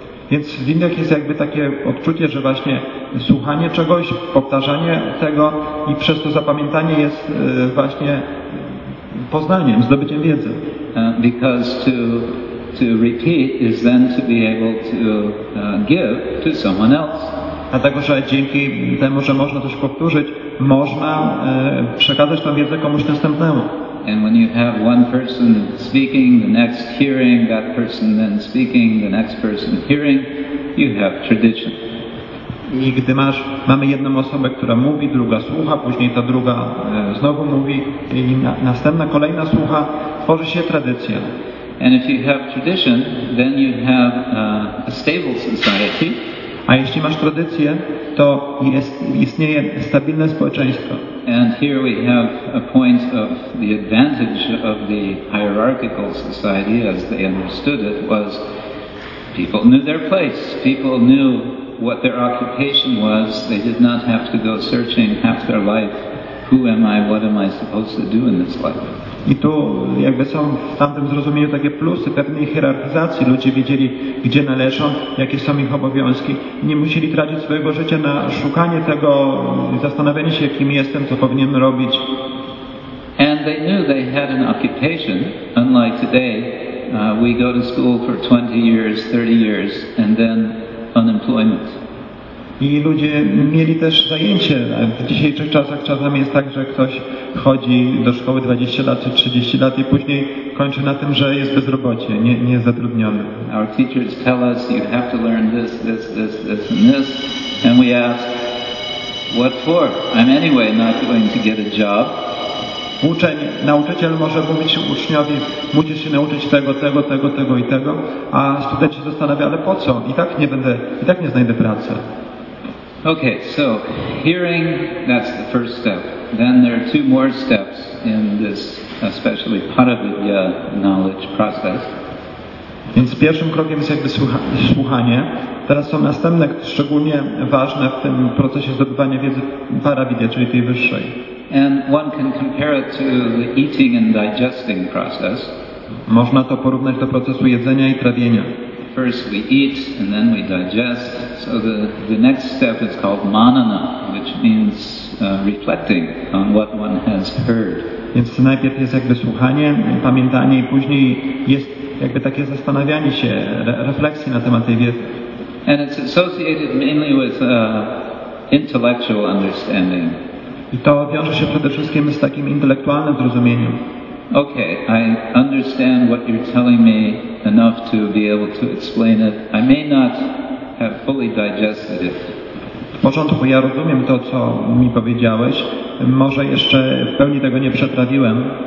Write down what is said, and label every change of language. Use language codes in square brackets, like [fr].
[pl] Więc w Indiach jest jakby takie odczucie, że właśnie słuchanie czegoś, powtarzanie tego i przez to zapamiętanie jest właśnie poznaniem, zdobyciem wiedzy. [en] Because to repeat is then to be able to give to someone else. [pl] Dlatego, że dzięki temu, że można coś powtórzyć, można przekazać tę wiedzę komuś następnemu. [en] And when you have one person speaking, the next hearing, that person then speaking, the next person hearing, you have tradition. [pl] I gdy mamy jedną osobę, która mówi, druga słucha, później ta druga znowu mówi i następna, kolejna słucha, tworzy się tradycja. [en] And if you have tradition, then you have a stable society. [pl] A jeśli masz tradycję, to istnieje stabilne społeczeństwo. [en] And here we have a point of the advantage of the hierarchical society as they understood it was people knew their place, people knew what their occupation was, they did not have to go searching half their life, who am I, what am I supposed to do in this life. [pl] I tu jakby są w tamtym zrozumieniu takie plusy pewnej hierarchizacji. Ludzie wiedzieli, gdzie należą, jakie są ich obowiązki. Nie musieli tracić swojego życia na szukanie tego, zastanawianie się, kim jestem, co powinienem robić. [en] And they knew they had an occupation, unlike today. We go to school for 20 years, 30 years, and then unemployment. [pl] I ludzie mieli też zajęcie. W dzisiejszych czasach czasami jest tak, że ktoś chodzi do szkoły 20 lat czy 30 lat i później kończy na tym, że jest bezrobocie, nie jest zatrudniony. [en] Our teachers tell us you have to learn this, this, this, this and this. And we ask, what for? I'm anyway not going to get a job. [pl] Uczeń, nauczyciel może mówić uczniowi, musisz się nauczyć tego, tego, tego, tego i tego, a student się zastanawia, ale po co? I tak nie znajdę pracy. [en] Okay, so hearing, that's the first step. Then there are two more steps in this, especially paravidya knowledge process. [pl] Więc pierwszym krokiem jest jakby słuchanie. Teraz są następne, szczególnie ważne w tym procesie zdobywania wiedzy paravidya, czyli tej wyższej. [en] And one can compare it to the eating and digesting process. [pl] Można to porównać do procesu jedzenia i trawienia. [en] First we eat and then we digest. So the next step is called manana, which means reflecting on what one has heard. [pl] Więc najpierw jest jakby słuchanie, pamiętanie i później jest jakby takie zastanawianie się, refleksja na temat tej wiedzy. [en] And it's associated mainly with intellectual understanding. [pl] I to wiąże się przede wszystkim z takim intelektualnym zrozumieniem. [en] Okay, I understand what you're telling me enough to be able to explain it. I may not have fully digested it. [pl] W początku ja rozumiem to, co mi powiedziałeś. Może jeszcze w pełni tego nie przetrawiłem.